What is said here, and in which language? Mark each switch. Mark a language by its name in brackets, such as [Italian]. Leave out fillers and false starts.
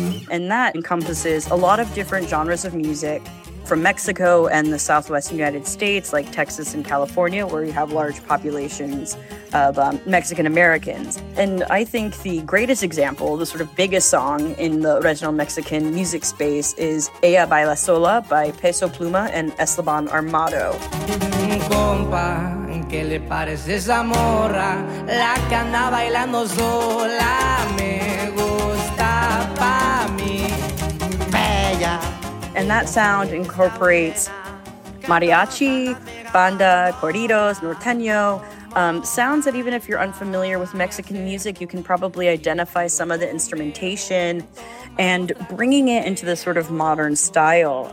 [English] And that encompasses a lot of different genres of music from Mexico and the Southwest United States, like Texas and California, where you have large populations of Mexican Americans. And I think the greatest example, the sort of biggest song in the regional Mexican music space, is Ella Baila Sola by Peso Pluma and Esteban Armado. [Spanish] Compa, ¿qué le parece esa morra? La que anda bailando sola, me gusta pa mí. Bella. [English] And that sound incorporates mariachi, banda, corridos, norteño, sounds that even if you're unfamiliar with Mexican music, you can probably identify some of the instrumentation and bringing it into this sort of modern style.